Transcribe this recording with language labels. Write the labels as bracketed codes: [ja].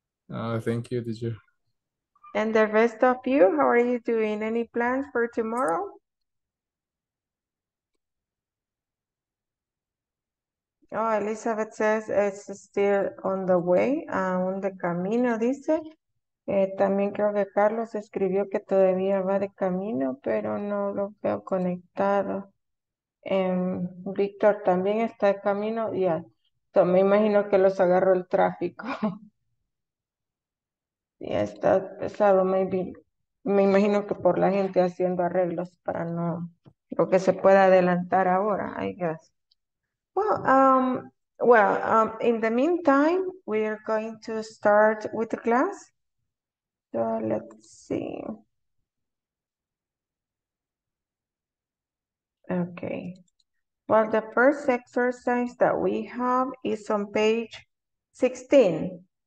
[en] Thank you, teacher. And the rest of you, how are you doing? Any plans for tomorrow? Oh, Elizabeth says it's still on the way, on the camino, dice. [es] También creo que Carlos escribió que todavía va de camino, pero no lo veo conectado. Víctor también está de camino, ya. Yeah. Me imagino que los agarró el tráfico. Ya está pesado, maybe. Me imagino que por la gente haciendo arreglos para no, lo que se pueda adelantar ahora, I guess. [en] In the meantime, we are going to start with the class. So let's see. Okay. Well, the first exercise that we have is on page 16.